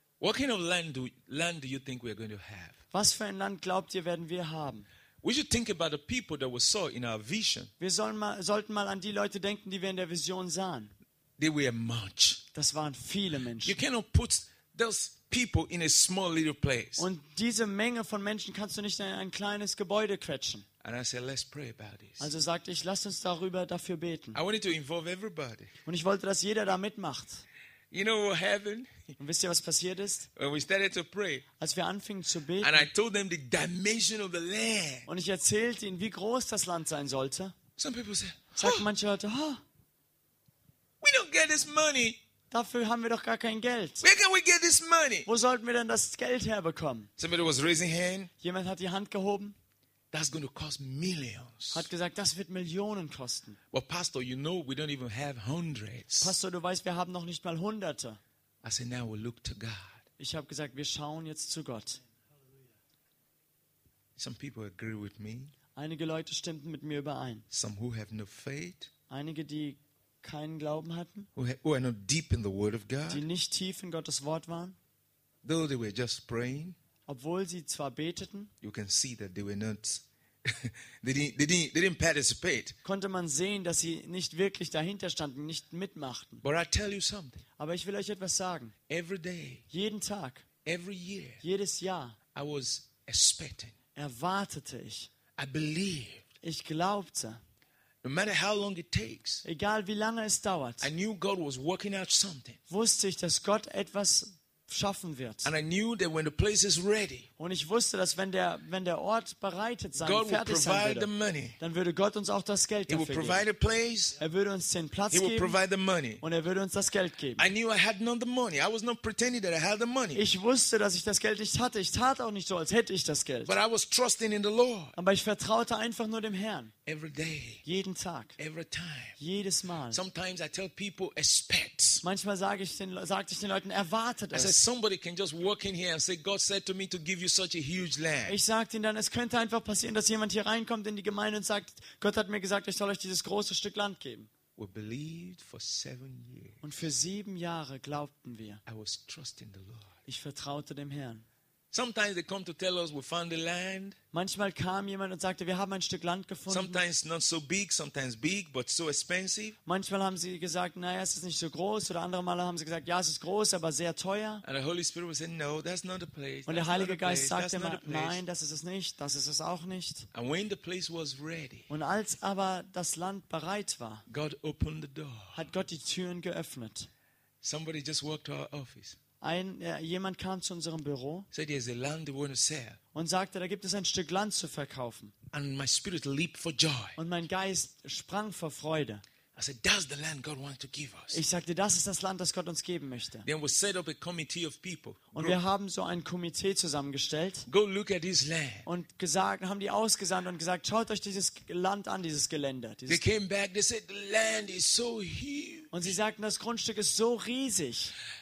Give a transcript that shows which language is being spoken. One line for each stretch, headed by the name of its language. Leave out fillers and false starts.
English: What kind of land do you think we are going to have?
German: Was für ein Land glaubt ihr werden wir haben?
English: We should think about the people that we saw in our vision.
German: Wir sollten mal an die Leute denken, die wir in der Vision sahen.
English: They were much.
German: Das waren viele Menschen.
English: You cannot put those people in a small little place.
German: Und diese Menge von Menschen kannst du nicht in ein kleines Gebäude quetschen.
English: And I said, let's pray about this.
German: Also sagte ich, lass uns darüber dafür beten.
English: I wanted to involve everybody.
German: Und ich wollte, dass jeder da mitmacht.
English: You know what happened?
German: Und wisst ihr, was passiert ist?
English: When we started to pray,
German: als wir anfingen zu beten,
English: and I told them the dimension of the land.
German: Und ich erzählte ihnen, wie groß das Land sein sollte.
English: Some people say,
German: sagten manche Leute, oh,
English: we don't get this money.
German: Dafür haben wir doch gar kein Geld.
English: Where can we get this money?
German: Wo sollten wir denn das Geld herbekommen?
English: Somebody was raising hand.
German: Jemand hat die Hand gehoben.
English: That's going to cost millions.
German: Hat gesagt, das wird Millionen kosten.
English: Well, Pastor, you know we don't even have hundreds.
German: Pastor, du weißt, wir haben noch nicht mal Hunderte.
English: I said, now we look to God.
German: Ich habe gesagt, wir schauen jetzt zu Gott.
English: Some people agree with me.
German: Einige Leute stimmten mit mir überein.
English: Some who have no faith.
German: Einige, die keinen Glauben hatten.
English: Who are not deep in the Word of God.
German: Die nicht tief in Gottes Wort waren.
English: Though they were just praying.
German: Obwohl sie zwar beteten,
English: you can see that they were not, they didn't participate.
German: Konnte man sehen, dass sie nicht wirklich dahinter standen, nicht mitmachten.
English: But I tell you something.
German: Aber ich will euch etwas sagen.
English: Every day,
German: jeden Tag,
English: every year,
German: jedes Jahr,
English: I was expecting.
German: Erwartete ich.
English: I believed.
German: Ich glaubte.
English: No matter how long it takes,
German: egal wie lange es dauert,
English: I knew God was working out something.
German: Wusste ich, dass Gott etwas schaffen wird.
English: And I knew that when the place is ready,
German: und ich wusste, dass wenn der Ort bereitet sein,
English: God
German: fertig
English: will provide
German: sein würde,
English: the money.
German: Dann würde Gott uns auch das Geld
English: he
German: dafür
English: will provide
German: geben.
English: A place,
German: er würde uns den Platz
English: he will
German: geben
English: provide the money.
German: Und er würde uns das Geld geben.
English: I knew I had not the money. I was not pretending that I had the money.
German: Ich wusste, dass ich das Geld nicht hatte. Ich tat auch nicht so, als hätte ich das Geld.
English: But I was trusting in the Lord.
German: Aber ich vertraute einfach nur dem Herrn.
English: Every day,
German: jeden Tag.
English: Every time,
German: jedes Mal.
English: Sometimes I tell people, expect.
German: Manchmal sagte ich den Leuten, erwartet es.
English: Somebody can just walk in here and say God said to me to give you such a huge land.
German: Ich sagte ihnen dann, es könnte einfach passieren, dass jemand hier reinkommt in die Gemeinde und sagt, Gott hat mir gesagt, ich soll euch dieses große Stück Land geben.
English: We believed for 7 years.
German: Und für 7 Jahre glaubten wir.
English: I was trusting the Lord.
German: Ich vertraute dem Herrn.
English: Sometimes they come to tell us we found the land.
German: Manchmal kam jemand und sagte, wir haben ein Stück Land gefunden.
English: Sometimes not so big, sometimes big, but so expensive.
German: Manchmal haben sie gesagt, naja, es ist nicht so groß. Oder andere Male haben sie gesagt, ja, es ist groß, aber sehr teuer.
English: And the Holy Spirit would say, no, that's not the place.
German: Und der Heilige Geist sagte immer, nein, das ist es nicht, das ist es auch nicht.
English: And when the place was ready,
German: und als aber das Land bereit war,
English: God opened the door.
German: Hat Gott die Türen geöffnet.
English: Somebody just walked to our office.
German: Jemand kam zu unserem Büro
English: said,
German: und sagte, da gibt es ein Stück Land zu verkaufen.
English: And my spirit leaped for joy.
German: Und mein Geist sprang vor Freude.
English: I said, that's the land God wants to give us.
German: Ich sagte, das ist das Land, das Gott uns geben möchte.
English: Then we set up a committee of people.
German: Und wir haben so ein Komitee zusammengestellt.
English: Go look at this land.
German: Und gesagt, haben die ausgesandt und gesagt, schaut euch dieses Land an, dieses Gelände.
English: They came back, they said, the land is so huge.
German: Und sie sagten, das Grundstück ist so riesig.